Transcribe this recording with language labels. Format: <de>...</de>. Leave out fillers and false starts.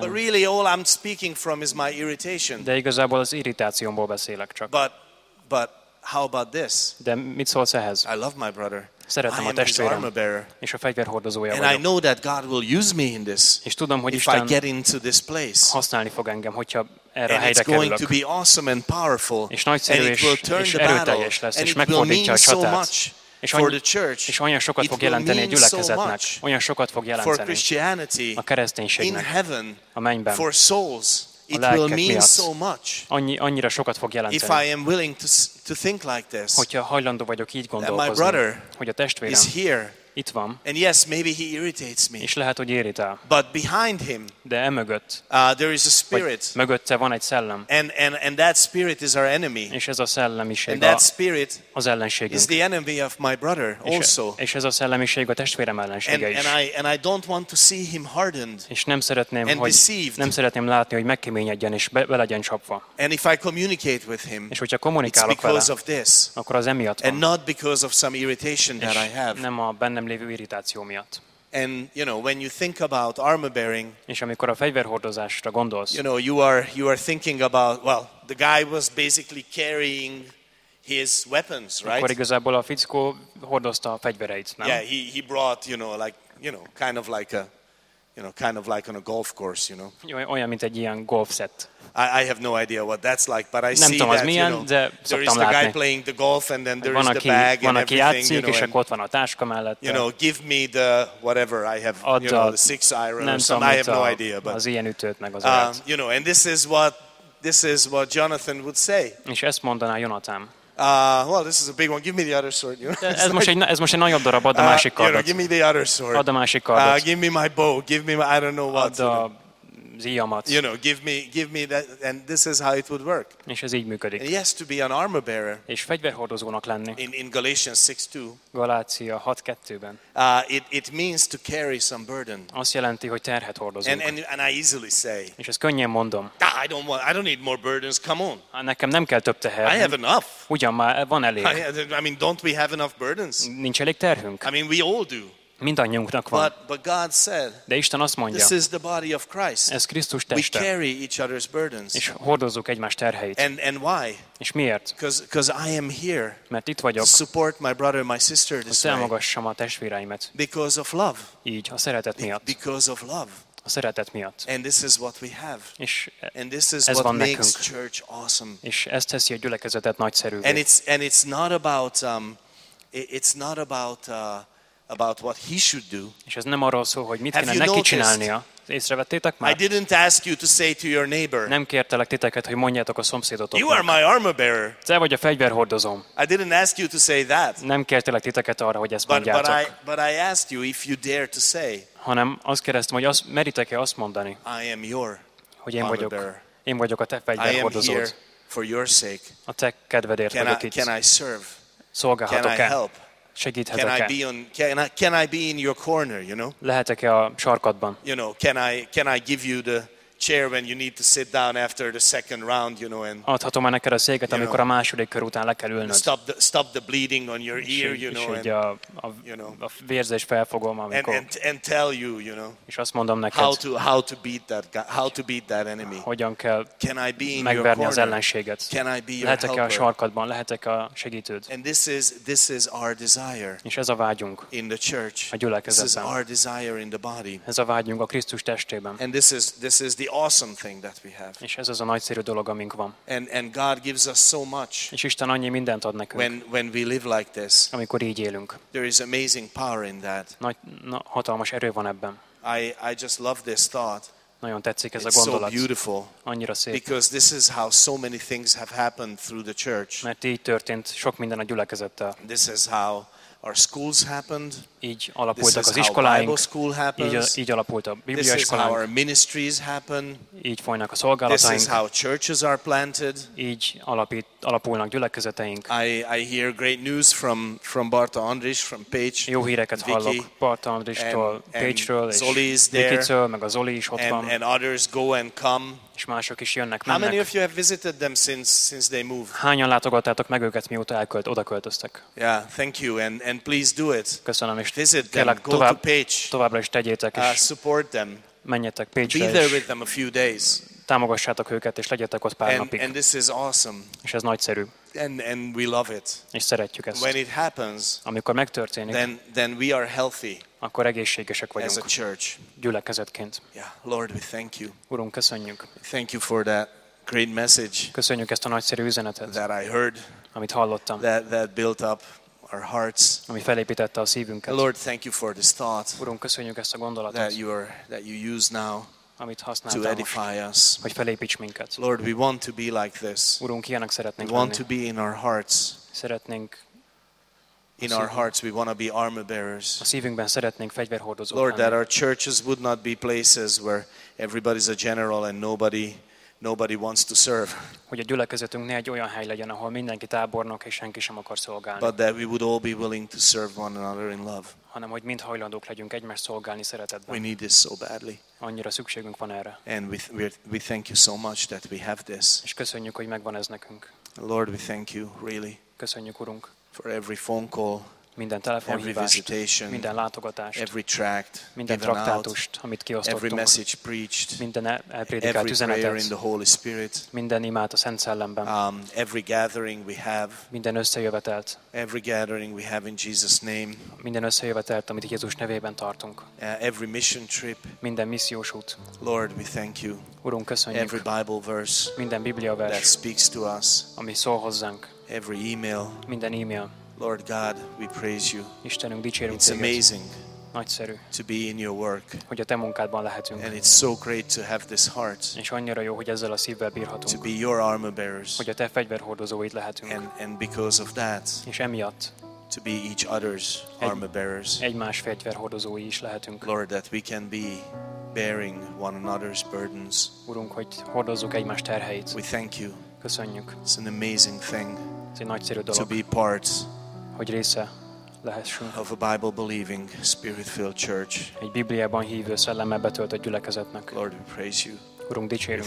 <en>But really all I'm speaking from is my irritation.</en> <hu>De igazából az irritációmból beszélek csak.</hu> <en>But how about this?</en> <hu>De mit szólsz ehhez?</hu> <en>I love my brother.</en> <hu>Szeretem a testvérem. És a fejvérhordozója vagyok.</hu> <en>And I know that God will use me in this.</en> <hu>És tudom, hogy</hu> <en>if I get into this place.</en> <hu>Használni fog engem, hogyha erre a helyre kerülök.</hu> <en>It's going to be awesome and powerful.</en> <hu>És nagyszerű,</hu> <en>and it will turn the battle.</en> <hu>És megfordítja a csatát. És olyan sokat fog jelenteni a gyülekezetnek. Olyan sokat fog jelenteni a kereszténységnek. A mennyben.</hu> <en>For souls. It will mean so much.</en> <hu>Annyira sokat fog jelenteni.</hu> <en>If I am willing to think like this.</en> <hu>Hogyha hajlandó vagyok így gondolkozni.</hu> <en>My brother,</en> <hu>hogy a testvérem</hu> <en>is here.</en> <hu>Itt van.</hu> <en>And yes, maybe he irritates me.</en> <hu>És lehet, hogy irritál.</hu> <en>But behind him.</en> <hu>De emögött.</hu> <en>There is a spirit.</en> <hu>Mögötte van egy szellem.</hu> <en>And that spirit is our enemy.</en> <hu>És ez a szellemiség.</hu> <en>And that spirit</en> <hu>az ellenségünk.</hu> <en>Is the enemy of my brother also.</en> <hu>És ez a szellemiség a testvérem ellensége is.</hu> <en>And I don't want to see him hardened.</en> <hu>És nem szeretném,</hu> <en>and</en> <hu>hogy</hu> <en>deceived.</en> <hu>Nem szeretném látni, hogy megkeményedjen és be legyen csapva.</hu> <en>And if I communicate with him.</en> <hu>És hogyha kommunikálok vele.</hu> <en>It's because of this.</en> <hu>Akkor az emiatt van.</hu> <en>And not because of some irritation that I have.</en> <hu>Nem a bennem lévő irritáció miatt.</hu> <en>And you know, when you think about armor bearing,</en> <hu>és amikor a fejvérhordozásra gondolsz,</hu> <en>you know, you are thinking about, well, the guy was basically carrying his weapons, right?</en> <hu>Akkor igazából a fickó hordozta a fegyvereit, nem?</hu> <en>Yeah, he brought, you know, like, you know, kind of like a, you know, kind of like on a golf course, you know.</en> <hu>Olyan, mint egy ilyen golf set.</hu> <en>I have no idea what that's like, but I</en> <hu>nem</hu> <en>see</en> <hu>tudom,</hu> <en>that,</en> <hu>milyen,</hu> <en>you know, there is</en> <hu>látni.</hu> <en>The guy playing the golf, and then there is</en> <hu>aki,</hu> <en>the bag and</en> <hu>aki játszik,</hu> <en>you know,</en> <hu>és akkor ott van a táska mellett.</hu> <en>You know, give me the whatever I have, you know, the six iron or something, I have no idea. But,</en> <hu>az ilyen ütőt meg az</hu> <en>you know, and this is what Jonathan would say.</en> <hu>És ezt mondaná Jonathan.</hu> <en>Well, this is a big one. Give me the other sword. You know?</en> <hu>ez most egy nagyobb darab, add a másik kardot.</hu> <en>You know, give me the other sword.</en> <hu>Add a másik kardot.</hu> <en>Give me my bow. Give me my, I don't know what.</en> <hu>Add a zíjamat.</hu> <en>You know, give me that, and this is how it would work.</en> <hu>És ez így működik.</hu> <en>And yes, to be an armor bearer.</en> <hu>És fegyverhordozónak lenni.</hu> <en>In Galatians 6:2.</en> <hu>Galácia 6:2-ben.</hu> <en>It means to carry some burden.</en> <hu>Azt jelenti, hogy terhet hordozunk.</hu> <en>And I easily say.</en> <hu>És ezt könnyen mondom.</hu> <en>I don't need more burdens. Come on.</en> <hu>Nekem nem kell több teher.</hu> <en>I have enough.</en> <hu>Ugyan már van elég.</hu> <en>I mean, don't we have enough burdens?</en> <hu>Nincs elég terhünk.</hu> <en>I mean, we all do.</en> <hu>Mindannyiunknak van.</hu> <en>But God said,</en> <hu>de Isten azt mondja,</hu> <en>this is the body of Christ.</en> <hu>Ez Krisztus teste.</hu> <en>We carry each other's burdens.</en> <hu>És hordozzuk egymás terheit.</hu> <en>And why?</en> <hu>És miért?</hu> <en>Because I am here.</en> <hu>Mert itt vagyok.</hu> <en>To support my brother and my sister this way.</en> <hu>Támogassam a testvéreimet.</hu> <en>Because of love.</en> <hu>Így, a szeretet miatt.</hu> <en>Because of love.</en> <hu>A szeretet miatt.</hu> <en>And this is what we have.</en> <hu>És</hu> <en>and this is</en> <hu>ez</hu> <en>what makes church awesome.</en> <hu>És ez teszi a gyülekezetet nagyszerűvé.</hu> <en>And it's not about about what he should do.</en> <hu>És ez nem arról szól, hogy mit kéne neki csinálnia. Észrevettétek már?</hu> <en>I didn't ask you to say to your neighbor.</en> <hu>Nem kértelek titeket, hogy mondjátok a szomszédotoknak.</hu> <en>You are my armor bearer.</en> <hu>Te vagy a fegyverhordozom.</hu> <en>I didn't ask you to say that.</en> <hu>Nem kértelek titeket arra, hogy ezt mondjátok.</hu> <en>But I asked you if you dare to say.</en> <hu>Hanem azt kérdeztem, hogy azt meritek-e azt mondani,</hu> <en>I am your</en> <hu>hogy én vagyok a te fegyverhordozód.</hu> <en>I am here for your sake.</en> <hu>A te kedvedért</hu> <en>can</en> <hu>vagyok</hu> <en>I,</en> <hu>itt.</hu> <en>Can I serve?</en> <hu>Szolgálhatok-e?</hu> <en>Can I help?</en> <hu>Segíthetek-e?</hu> <en>Can I be in your corner, you know?</en> <hu>Lehetek-e a sarkadban?</hu> <en>You know, can I give you the chair when you need to sit down after the second round, you know, and</en> <hu>adhatom-e neked a széket, amikor a második kör után le kell ülnöd.</hu> <en>Stop the bleeding on your ear, you know,</en> <hu>és így a vérzés felfogom, amikor</hu> <en>and tell you, you know,</en> <hu>és azt mondom neked,</hu> <en>how to beat that enemy.</en> <hu>Hogyan kell megverni az ellenséget? Lehetek-e a sarkadban, lehetek-e a segítőd?</hu> <en>And this is our desire.</en> <hu>És ez a vágyunk</hu> <en>in the church.</en> <hu>A gyülekezetben.</hu> <en>This is our desire in the body.</en> <hu>Ez a vágyunk a Krisztus testében.</hu> <en>And this is the awesome thing that we have.</en> <hu>És ez az a nagyszerű dolog, amink van.</hu> <en>And God gives us so much.</en> <hu>És Isten annyi mindent ad nekünk.</hu> <en>When we live like this.</en> <hu>Amikor így élünk.</hu> <en>There is amazing power in that.</en> <hu>Hatalmas erő van ebben.</hu> <en>I just love this thought.</en> <hu>Nagyon tetszik ez</hu> <en>it's</en> <hu>a gondolat.</hu> <en>So beautiful.</en> <hu>Annyira szép.</hu> <en>Because this is how so many things have happened through the church.</en> <hu>Mert így történt sok minden a gyülekezettel.</hu> <en>This is how our schools happened.</en> <hu>Így alapultak az iskoláink.</hu> <en>Bible school happens.</en> <hu>Így alapult a Biblia iskolánk.</hu> <en>This is how our ministries happen.</en> <hu>Így folynak a szolgálataink.</hu> <en>This is how churches are planted.</en> <hu>Így alapulnak gyülekezeteink.</hu> <en>I hear great news from Barta Andris, from Page.</en> <hu>Jó híreket hallok Barta Andristól, Page-ről, és Vicky-től, meg a Zoli is ott van.</hu> <en>And others go and come.</en> <hu>És mások is jönnek, mennek.</hu> <en>How many of you have visited them since they moved?</en> <hu>Hányan látogattátok meg őket, mióta odaköltöztek?</hu> <en>Yeah, thank you and please do it.</en> <hu>Köszönöm, és</hu> <en>visit them,</en> <hu>kérlek,</hu> <en>go to Page.</en> <hu>Továbbra is tegyétek, és</hu> <en>support them.</en> <hu>Menjetek Page-re.</hu> <en>Be there with them a few days.</en> <hu>Támogassátok őket, és legyetek ott pár napig.</hu> <en>And this is awesome.</en> <hu>És ez nagyszerű.</hu> <en>And we love it.</en> <hu>És szeretjük ezt.</hu> <en>When it happens,</en> <hu>amikor megtörténik,</hu> <en>then we are healthy.</en> <hu>Akkor egészségesek vagyunk.</hu> <en>As a church.</en> <hu>Gyülekezetként.</hu> <en>Yeah, Lord, we thank you.</en> <hu>Urunk, köszönjük.</hu> <en>Thank you for that great message.</en> <hu>Köszönjük ezt a nagyszerű üzenetet.</hu> <en>That I heard.</en> <hu>Amit hallottam.</hu> <en>That built up our hearts.</en> <hu>Ami felépítette a szívünket.</hu> <en>Lord, thank you for this thought.</en> <hu>Urunk, köszönjük ezt a gondolatot.</hu> <en>That you use now.</en> <hu>Amit használtál</hu> <en>to edify</en> <hu>most,</hu> <en>us.</en> <hu>Hogy felépíts minket.</hu> <en>Lord, we want to be like this.</en> <hu>Urunk, ilyenek szeretnénk lenni.</hu> <en>We want to be in our hearts.</en> <hu>Szeretnénk.</hu> <en>In our hearts, we want to be armor bearers.</en> <hu>A szívünkben szeretnénk fegyverhordozók lenni.</hu> <en>Lord, that our churches would not be places where everybody's a general and nobody wants to serve.</en> <hu>Hogy a gyülekezetünk ne egy olyan hely legyen, ahol mindenki tábornok és senki sem akar szolgálni.</hu> <en>But that we would all be willing to serve one another in love.</en> <hu>Hanem hogy mind hajlandók legyünk egymást szolgálni szeretetben.</hu> <en>We need this so badly.</en> <hu>Annyira szükségünk van erre.</hu> <en>And we thank you so much that we have this.</en> <hu>És köszönjük, hogy megvan ez nekünk.</hu> <en>Lord, we thank you really.</en> <hu>Köszönjük, Urunk.</hu> <en>For every phone call,</en> <hu>minden telefonhívást,</hu> <en>every visitation,</en> <hu>minden látogatást,</hu> <en>every tract,</en> <hu>minden traktátust, amit kiosztottunk,</hu> <en>every message preached,</en> <hu>minden elprédikált üzenetet,</hu> <en>every prayer in the Holy Spirit,</en> <hu>minden imát a Szent Szellemben,</hu> <en>every gathering we have,</en> <hu>minden összejövetelt,</hu> <en>every gathering we have in Jesus' name,</en> <hu>minden összejövetelt, amit Jézus nevében tartunk,</hu> <en>every mission trip,</en> <hu>minden missziós út.</hu> <en>Lord, we thank you.</en> <hu>Urunk, köszönjük.</hu> <en>Every Bible verse,</en> <hu>minden Biblia vers,</hu> <en>that speaks to us,</en> <hu>ami szól hozzánk.</hu> <en>Every email,</en> <hu>minden email.</hu> <en>Lord God, we praise you.</en> <hu>Istenünk, dicsérünk téged.</hu> <en>It's amazing,</en> <hu>nagyszerű,</hu> <en>to be in your work.</en> <hu>Hogy a te munkádban lehetünk.</hu> <en>And it's so great to have this heart.</en> <hu>És annyira jó, hogy ezzel a szívvel bírhatunk.</hu> <en>To be your armor bearers.</en> <hu>Hogy a te fegyverhordozóid lehetünk.</hu> <en>And because of that,</en> <hu>és emiatt,</hu> <en>to be each other's armor bearers.</en> <hu>Egymás fegyverhordozói is lehetünk.</hu> <en>Lord, that we can be bearing one another's burdens.</en> <hu>Urunk, hogy hordozzuk egymás terheit.</hu> <en>We thank you.</en> <hu>Köszönjük.</hu> <en>It's an amazing thing.</en> <hu>Ez egy nagyszerű dolog,</hu> <en>to be part,</en> <hu>hogy része lehessünk,</hu> <en>of a Bible-believing, Spirit-filled church.</en> <hu>Egy Bibliában hívő, szellemmel betöltött gyülekezetnek.</hu> <en>Lord, we praise you.</en> <hu>Urunk, dicsérünk.</hu>